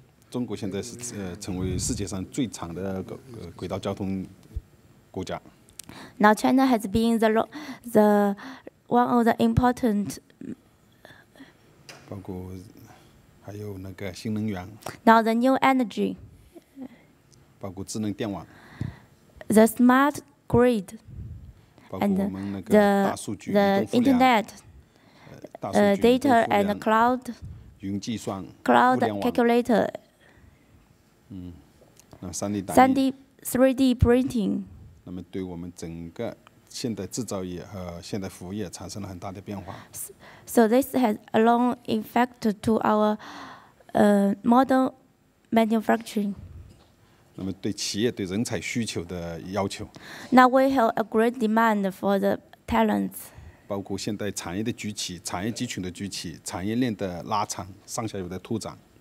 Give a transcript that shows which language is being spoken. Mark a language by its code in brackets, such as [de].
[zh] 中国现在是, 成为世界上最长的轨道交通国家. [en] Now China has been the one of the important. [zh] 包括还有那个新能源, [en] now the new energy. [zh] 包括智能电网, [en] the smart grid. And the internet, data and cloud, [zh] 云计算, [en] cloud calculator, [zh] 3D [en] 3D printing. [zh] 那么对我们整个现代制造业和现代服务业产生了很大的变化. [en] So this has a long effect to our modern manufacturing. [zh] 那么对企业对人才需求的要求. [en] Now we have a great demand for the talents. [zh] 包括现代产业的崛起、产业集群的崛起、产业链的拉长、上下游的拓展.